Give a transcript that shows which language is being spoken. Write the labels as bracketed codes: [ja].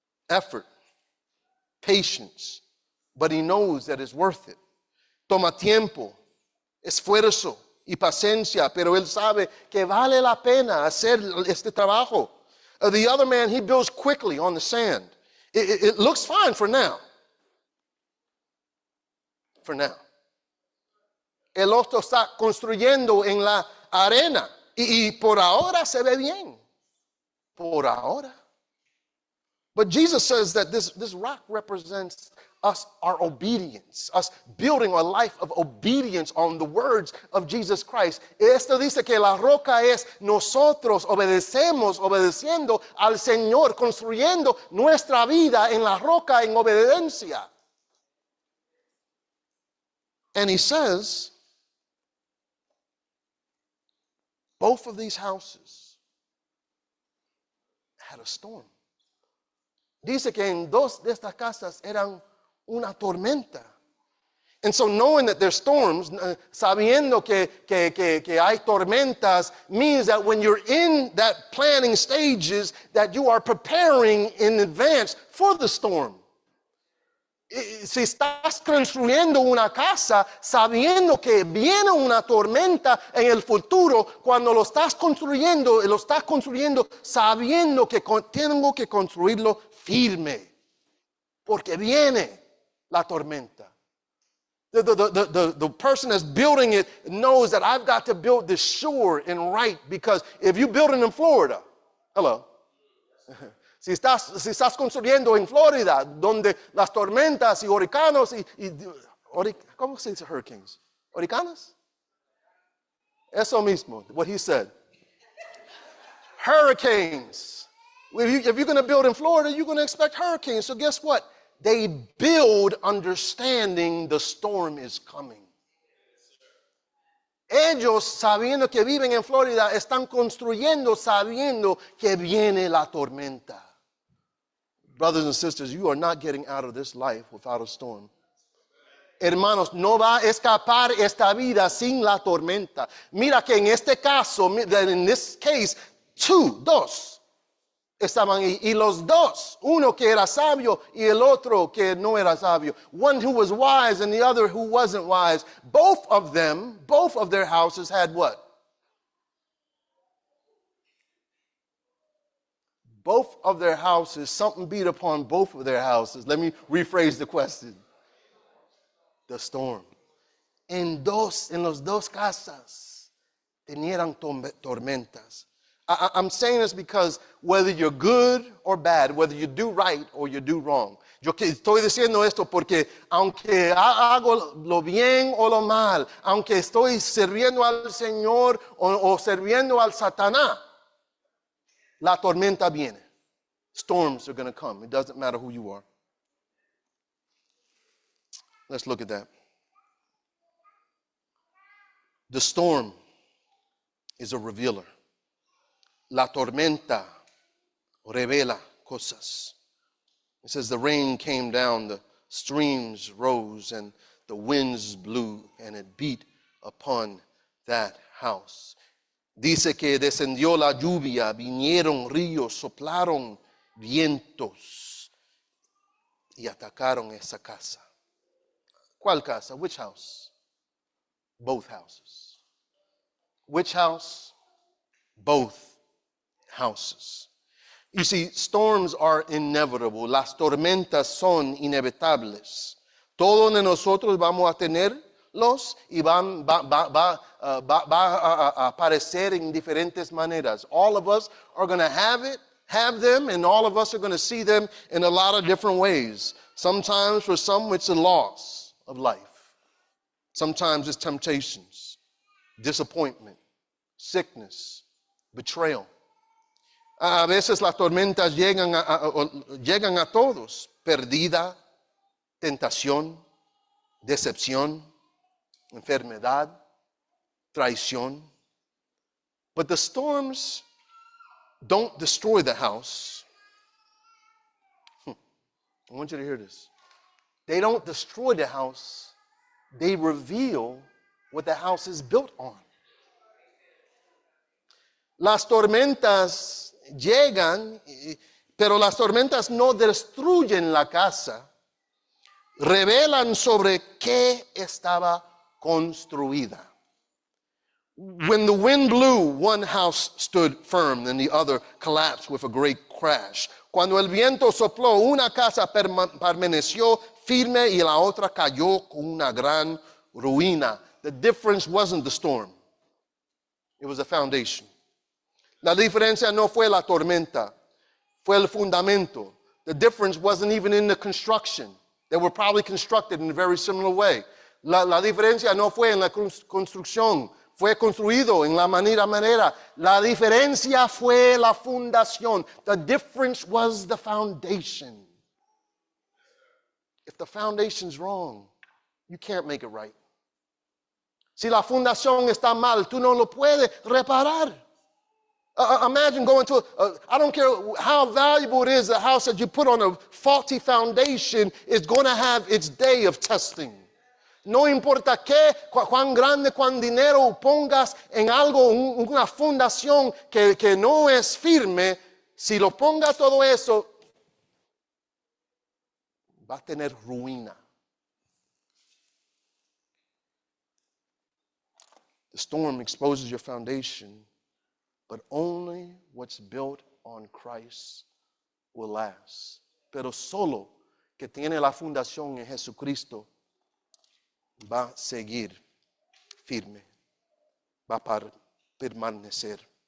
[en] Effort, patience, but he knows that it's worth it. [es] Toma tiempo, esfuerzo y paciencia, pero él sabe que vale la pena hacer este trabajo. [en] The other man, he builds quickly on the sand. It looks fine for now. For now. [es] El otro está construyendo en la arena y por ahora se ve bien. Por ahora. [en] But Jesus says that this rock represents us, our obedience, us building a life of obedience on the words of Jesus Christ. [es] Esto dice que la roca es nosotros obedeciendo al Señor, construyendo nuestra vida en la roca en obediencia. [en] And he says, both of these houses had a storm. [es] Dice que en dos de estas casas eran una tormenta. [en] And so knowing that there's storms, [es] sabiendo que hay tormentas, [en] means that when you're in that planning stages, that you are preparing in advance for the storm. [es] Si estás construyendo una casa, sabiendo que viene una tormenta en el futuro, cuando lo estás construyendo, sabiendo que tengo que construirlo firme, porque viene la tormenta. [en] The person that's building it knows that I've got to build this sure and right, because if you're building in Florida, hello. [es] Si estás construyendo en Florida, donde las tormentas y huracanes ¿cómo se dice hurricanes? ¿Huracanes? Eso mismo, [en] what he said. Hurricanes. If you're going to build in Florida, you're going to expect hurricanes. So guess what? They build understanding the storm is coming. [es] Ellos, sabiendo que viven en Florida, están construyendo sabiendo que viene la tormenta. [en] Brothers and sisters, you are not getting out of this life without a storm. [es] hermanos, no va a escapar esta vida sin la tormenta. Mira que en este caso, [en] in this case, [es] dos estaban ahí. Y los dos, uno que era sabio y el otro que no era sabio. [en] One who was wise and the other who wasn't wise. Both of them, both of their houses had what? Both of their houses, something beat upon both of their houses. Let me rephrase the question. The storm. [es] En los dos casas, tenían tormentas. [en] I'm saying this because whether you're good or bad, whether you do right or you do wrong. [es] Yo estoy diciendo esto porque aunque hago lo bien o lo mal, aunque estoy sirviendo al Señor o sirviendo al Satanás, la tormenta viene. [en] Storms are going to come. It doesn't matter who you are. Let's look at that. The storm is a revealer. [es] La tormenta revela cosas. [en] It says the rain came down, the streams rose, and the winds blew, and it beat upon that house. [es] Dice que descendió la lluvia, vinieron ríos, soplaron vientos y atacaron esa casa. ¿Cuál casa? [en] Which house? Both houses. Which house? Both houses. You see, storms are inevitable. [es] Las tormentas son inevitables. Todos de nosotros vamos a tenerlos y va a aparecer en diferentes maneras. [en] All of us are going to have them, and all of us are going to see them in a lot of different ways. Sometimes for some, it's a loss of life. Sometimes it's temptations, disappointment, sickness, betrayal. [es] A veces las tormentas llegan a todos. Perdida, tentación, decepción, enfermedad, traición. [en] But the storms don't destroy the house. I want you to hear this. They don't destroy the house. They reveal what the house is built on. [es] Las tormentas llegan, pero las tormentas no destruyen la casa. Revelan sobre qué estaba construida. [en] When the wind blew, one house stood firm, and the other collapsed with a great crash. [es] Cuando el viento sopló, una casa permaneció firme y la otra cayó con una gran ruina. [en] The difference wasn't the storm. It was the foundation. [es] La diferencia no fue la tormenta, fue el fundamento. [en] The difference wasn't even in the construction. They were probably constructed in a very similar way. [es] La diferencia no fue en la construcción. Fue construido en la manera. La diferencia fue la fundación. [en] The difference was the foundation. If the foundation's wrong, you can't make it right. [es] Si la fundación está mal, tú no lo puedes reparar. [en] Imagine going to, I don't care how valuable it is, a house that you put on a faulty foundation is going to have its day of testing. [es] No importa qué, cuán grande, cuán dinero pongas en algo, una fundación que no es firme, si lo ponga todo eso, va a tener ruina. [en] The storm exposes your foundation, but only what's built on Christ will last. [es] Pero solo que tiene la fundación en Jesucristo va a seguir firme, va a permanecer.